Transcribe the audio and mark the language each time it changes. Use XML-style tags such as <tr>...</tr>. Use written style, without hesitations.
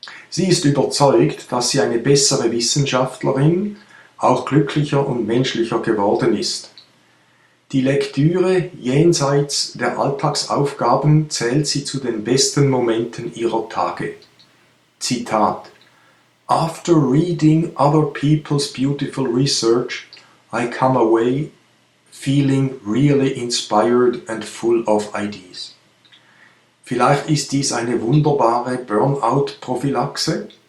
<de>Sie ist überzeugt, dass sie eine bessere Wissenschaftlerin, auch glücklicher und menschlicher geworden ist. Die Lektüre jenseits der Alltagsaufgaben zählt sie zu den besten Momenten ihrer Tage.</de> <en>Zitat: After reading other people's beautiful research, I come away feeling really inspired and full of ideas.</en> <de>Vielleicht ist dies eine wunderbare Burnout-Prophylaxe.</de>